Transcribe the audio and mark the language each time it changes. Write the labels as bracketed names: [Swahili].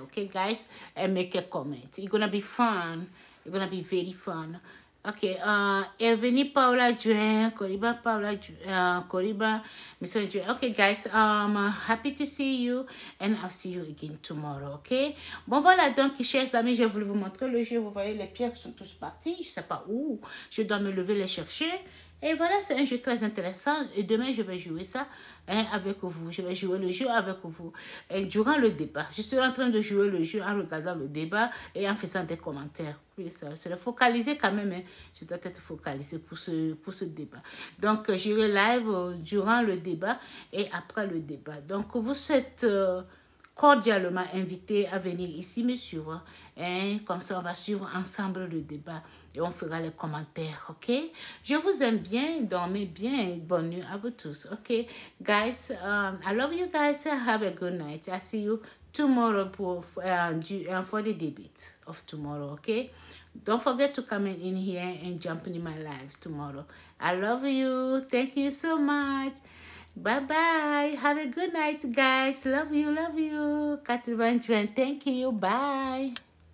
[English] Okay, guys, and make a comment. It's gonna be fun. It's gonna be very fun. Okay, Elvini Paula Juan, Koriba Paula, Koriba, Mr. Juan. Okay, guys, happy to see you and I'll see you again tomorrow, okay? [French] Bon, voilà, donc, chers amis, j'ai voulu vous montrer le jeu. Vous voyez, les pierres sont tous parties. Je ne sais pas où. Je dois me lever les chercher. Et voilà, c'est un jeu très intéressant. Et demain, je vais jouer ça hein, avec vous. Je vais jouer le jeu avec vous. Et durant le débat, je serai en train de jouer le jeu en regardant le débat et en faisant des commentaires. Oui, ça serait focalisé quand même. Hein. Je dois être focalisé pour ce débat. Donc, j'irai live durant le débat et après le débat. Donc, vous êtes cordialement invité à venir ici me suivre. Hein. Comme ça, on va suivre ensemble le débat. Et on fera les commentaires, ok? Je vous aime bien, dormez bien, bonne nuit à vous tous, ok? [English] Guys, I love you guys, have a good night. I see you tomorrow for the debate of tomorrow, ok? Don't forget to come in here and jump in my live tomorrow. I love you, thank you so much. Bye-bye, have a good night, guys. Love you, 80 juin, thank you, bye.